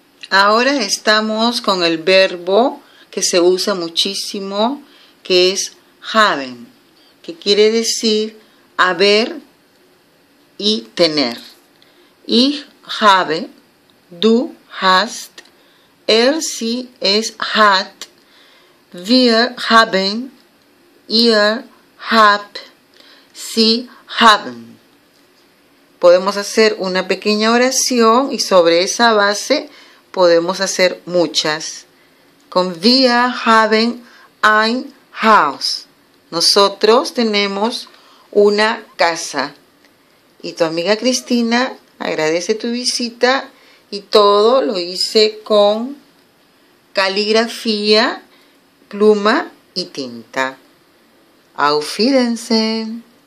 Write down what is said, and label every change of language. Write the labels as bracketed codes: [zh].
[es] Ahora estamos con el verbo que se usa muchísimo, que es haben, que quiere decir haber y tener. [de] Ich habe, du hast, er, sie, es, hat, wir haben, ihr habt, sie haben. [es] Podemos hacer una pequeña oración y sobre esa base podemos hacer muchas. [de] Con wir haben ein Haus. [es] Nosotros tenemos una casa. Y tu amiga Cristina agradece tu visita y todo lo hice con caligrafía, pluma y tinta. [de] Auf Wiedersehen.